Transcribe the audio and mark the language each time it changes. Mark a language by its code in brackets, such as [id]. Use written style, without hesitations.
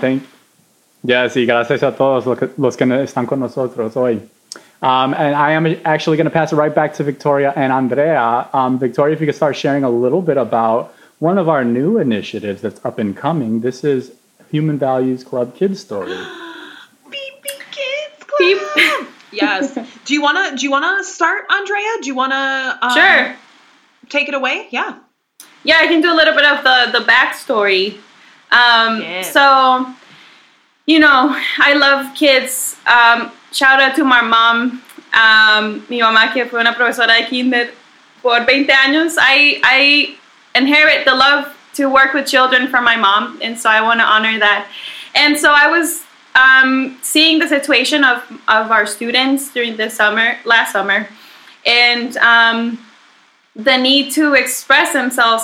[es] Y gracias a todos los que están con nosotros hoy. [en] And I am actually going to pass it right back to Victoria and Andrea. Victoria, if you could start sharing a little bit about one of our new initiatives that's up and coming. This is Human Values Club Kids Story. Beep, beep, kids club. Beep. Yes. Do you wanna start, Andrea? Do you wanna sure take it away? Yeah. Yeah, I can do a little bit of the backstory. So, you know, I love kids. Shout out to my mom, [es] mi mamá que fue una profesora de kinder por 20 años. [en] I inherit the love to work with children from my mom, and so I want to honor that. And so I was seeing the situation of our students during the summer, last summer, and the need to express themselves.